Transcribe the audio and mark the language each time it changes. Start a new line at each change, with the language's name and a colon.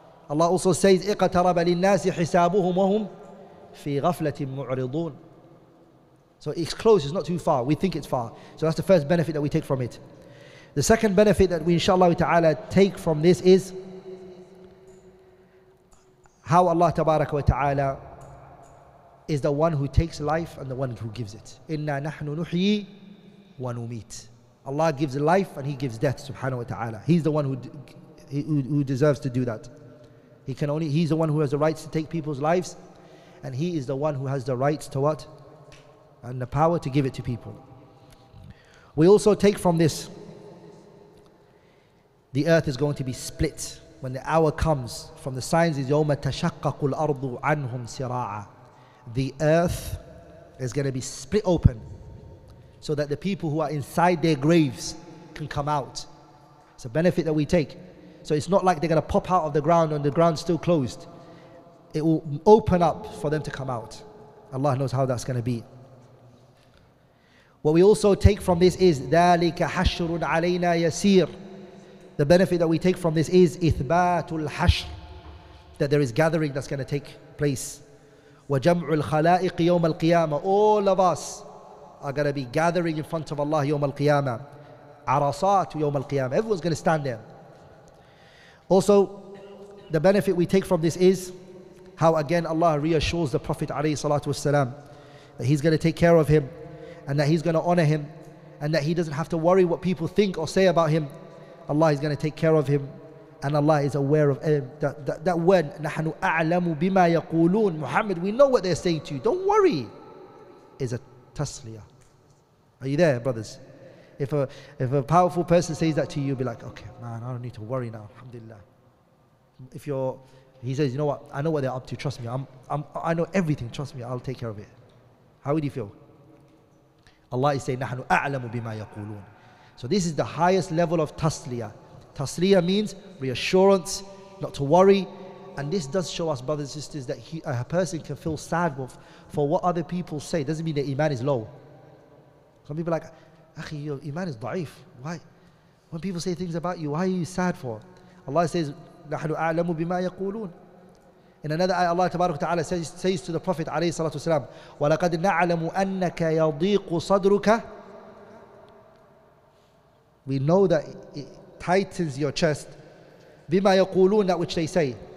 English: Allah also says,
Arabic: اِقَتَرَبَ لِلنَّاسِ حِسَابُهُمْ وَهُمْ فِي غَفْلَةٍ مُعْرِضُونَ.
English: So it's close, it's not too far. We think it's far. So that's the first benefit that we take from it. The second benefit that we, inshallah ta'ala, take from this is how Allah tabaraka wa ta'ala is the one who takes life and the one who gives it.
Arabic: إِنَّا نَحْنُ نُحْيِي وَنُمِيتُ.
English: Allah gives life and He gives death, subhanahu wa ta'ala. He's the one who deserves to do that. He's the one who has the rights to take people's lives, and He is the one who has the rights to what? And the power to give it to people. We also take from this, the earth is going to be split when the hour comes. From the signs is
Arabic: يَوْمَ تَشَقَّقُ الْأَرْضُ عَنْهُمْ سِرَاعًا.
English: The earth is going to be split open so that the people who are inside their graves can come out. It's a benefit that we take. So it's not like they're going to pop out of the ground and the ground's still closed. It will open up for them to come out. Allah knows how that's going to be. What we also take from this is
Arabic: ذَلِكَ حَشْرٌ عَلَيْنَا يَسِيرٌ.
English: The benefit that we take from this is ithbatul hashr, that there is gathering that's going to take place.
Arabic: Wa jam'ul khala'iq yawm al-qiyamah.
English: All of us are going to be gathering in front of Allah yawm al-qiyamah. Arasat yawm al-qiyamah. Everyone's going to stand there. Also, the benefit we take from this is how again Allah reassures the Prophet alayhi salatu wasalam that He's going to take care of him and that He's going to honor him and that he doesn't have to worry what people think or say about him. Allah is going to take care of him, and Allah is aware of him. That word,
Arabic: نَحْنُ أَعْلَمُ بِمَا يَقُولُونَ.
English: Muhammad, we know what they're saying to you. Don't worry. Is a tasliyah. Are you there, brothers? If a powerful person says that to you, you'll be like, okay, man, I don't need to worry now. Alhamdulillah. He says, you know what? I know what they're up to. Trust me. I know everything. Trust me. I'll take care of it. How would you feel? Allah is saying,
Arabic: نَحْنُ أَعْلَمُ بِمَا يَقُولُونَ.
English: So this is the highest level of tasliyah. Tasliyah means reassurance, not to worry. And this does show us, brothers and sisters, that a person can feel sad for what other people say. It doesn't mean their iman is low. Some people are like, akhi, your iman is da'if. Why? When people say things about you, why are you sad for? Allah says,
Arabic: نَحْنُ أَعْلَمُ بِمَا يَقُولُونَ.
English: In another ayah, Allah Tabaraka Ta'ala says to the Prophet alayhi salatu wasalam,
Arabic: وَلَقَدْ نَعْلَمُ أَنَّكَ يَضِيقُ صَدْرُكَ.
English: We know that it tightens your chest.
Arabic: بِمَا يَقُولُونَ,
English: that which they say.